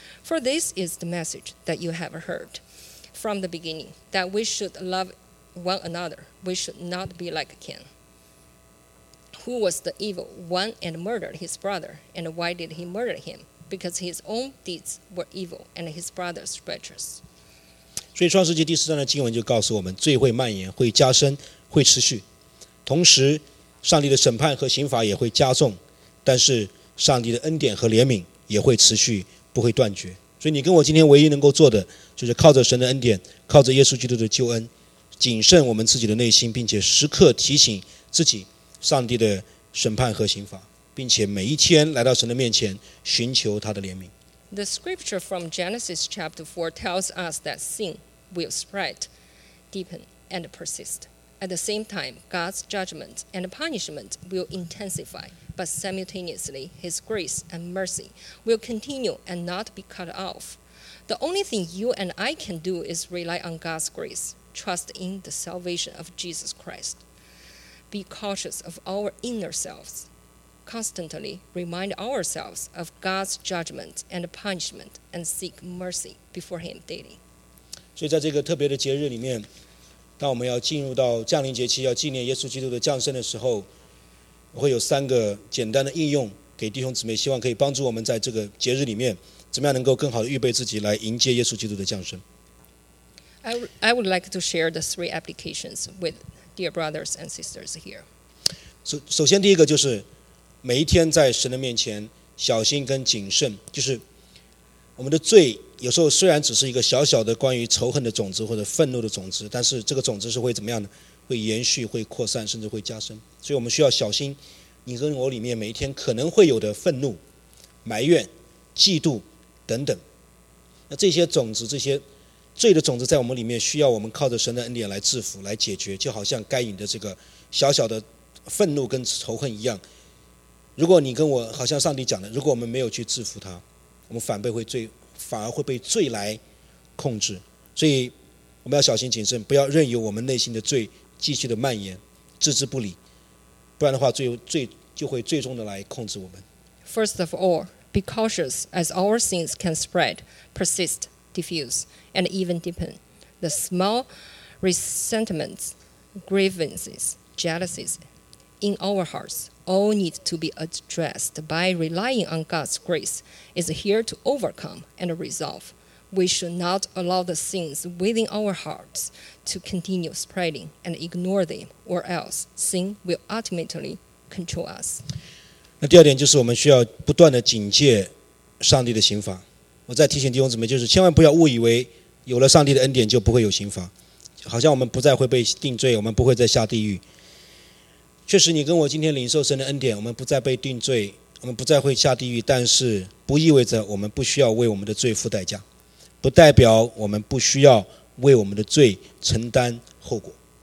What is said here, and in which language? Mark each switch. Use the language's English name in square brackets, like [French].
[English] For this is the message that you have heard from the beginning, that we should love one another. We should not be like Cain, who was the evil one and murdered his brother. And why did he murder him? Because his own deeds were evil and his brother's righteous. [Chinese] 所以创世纪第四章的经文就告诉我们，罪会蔓延，会加深，会持续，同时上帝的审判和刑罚也会加重，但是上帝的恩典和怜悯也会持续，不会断绝。所以你跟我今天唯一能够做的，就是靠着神的恩典，靠着耶稣基督的救恩，谨慎我们自己的内心，并且时刻提醒自己上帝的审判和刑罚，并且每一天来到神的面前寻求他的怜悯。 [English] The scripture from Genesis chapter 4 tells us that sin will spread, deepen, and persist. At the same time, God's judgment and punishment will intensify, but simultaneously, his grace and mercy will continue and not be cut off. The only thing you and I can do is rely on God's grace, trust in the salvation of Jesus Christ. Be cautious of our inner selves. Constantly remind ourselves of God's judgment and punishment, and seek mercy before Him daily. [Chinese] 所以在这个特别的节日里面，当我们要进入到降临节期，要纪念耶稣基督的降生的时候，我会有三个简单的应用给弟兄姊妹，希望可以帮助我们在这个节日里面，怎么样能够更好的预备自己来迎接耶稣基督的降生。 [English] I would like to share the three applications with dear brothers and sisters here. [Chinese] 首先第一个就是。每一天在神的面前小心跟谨慎，就是我们的罪有时候虽然只是一个小小的关于仇恨的种子或者愤怒的种子，但是这个种子是会怎么样呢？会延续，会扩散，甚至会加深。所以我们需要小心你跟我里面每一天可能会有的愤怒、埋怨、嫉妒等等。那这些种子，这些罪的种子在我们里面，需要我们靠着神的恩典来制服、来解决，就好像该隐的这个小小的愤怒跟仇恨一样。如果你跟我好像上帝讲的，如果我们没有去制服他，我们反而会被罪来控制。所以我们要小心谨慎，不要任由我们内心的罪继续的蔓延，置之不理，不然的话罪就会最终的来控制我们。 [English] First of all, be cautious as our sins can spread, persist, diffuse, and even deepen. The small resentments, grievances, jealousies in our heartsall need to be addressed by relying on God's grace is here to overcome and resolve. We should not allow the sins within our hearts to continue spreading and ignore them, or else sin will ultimately control us. [Chinese] 那第二点就是我们需要不断的警戒上帝的刑罚。我再提醒弟兄姊妹，就是千万不要误以为有了上帝的恩典就不会有刑罚，好像我们不再会被定罪，我们不会再下地狱。确实你跟我今天领受神的恩典，我们不再被定罪，我们不再会下地狱，但是不意味着我们不需要为我们的罪付代价，不代表我们不需要为我们的罪承担后果。